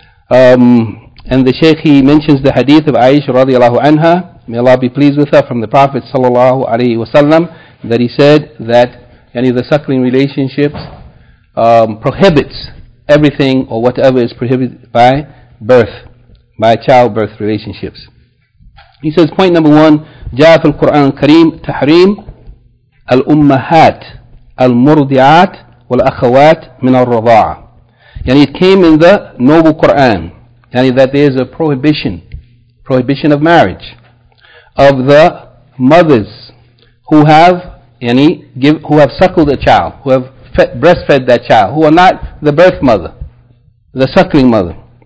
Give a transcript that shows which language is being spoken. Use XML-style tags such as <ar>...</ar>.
<en>And the Shaykh, he mentions the hadith of Aisha radiallahu anha, may Allah be pleased with her, from the Prophet sallallahu alayhi wa sallam, that he said that, yani, the suckling relationships prohibits everything or whatever is prohibited by birth, by childbirth relationships. He says, point number one,</en> <ar>جَاءَ الْقُرْآنِ الْكَرِيمِ تَحْرِيمُ الْأُمَّهَاتِ الْمُرْضِعَاتِ وَالْأَخَوَاتِ مِنَ الرَّضَاعَةِ.</ar> <en>And it came in the Noble Quran, yani that there is a prohibition of marriage, of the mothers who have suckled a child, who have breastfed that child, who are not the birth mother, the suckling mother.</en>